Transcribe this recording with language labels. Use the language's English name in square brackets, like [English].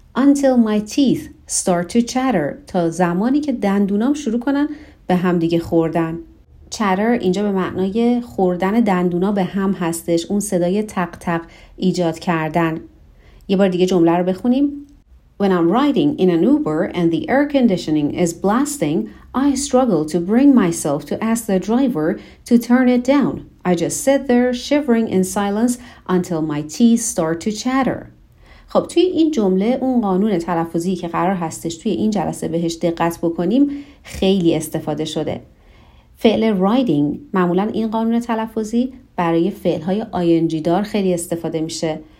[English] Until my teeth start to chatter. [Persian] تا زمانی که دندونام شروع کنن به هم دیگه خوردن. چتر اینجا به معنای خوردن دندونا به هم هستش، اون صدای تق تق ایجاد کردن. یه بار دیگه جمله رو بخونیم. [English] When I'm riding in an Uber and the air conditioning is blasting, I struggle to bring myself to ask the driver to turn it down. I just sit there shivering in silence until my teeth start to chatter. [Persian] خب توی این جمله اون قانون تلفظی که قرار هستش توی این جلسه بهش دقت بکنیم خیلی استفاده شده. فعل riding معمولا این قانون تلفظی برای فعل‌های ing دار خیلی استفاده میشه.